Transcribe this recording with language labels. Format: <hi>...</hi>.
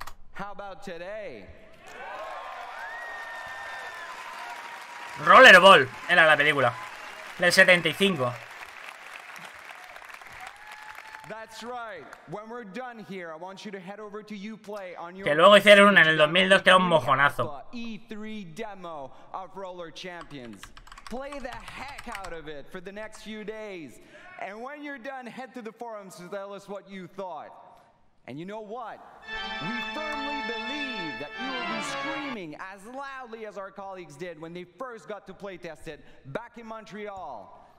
<en>How about today?</en> <es>Rollerball era la película del 75.</es> <en>That's right. When we're done here, I want you to head over to Uplay on your.</en> <es>Que luego hicieron una en el 2002 que era un mojonazo.</es> <en>E3 demo of Roller Champions. Play the heck out of it for the next few days. And when you're done, head to the forums to tell us what you thought. And you know what? We firmly believe that you will be screaming as loudly as our colleagues did when they first got to play test it back in Montreal.</en>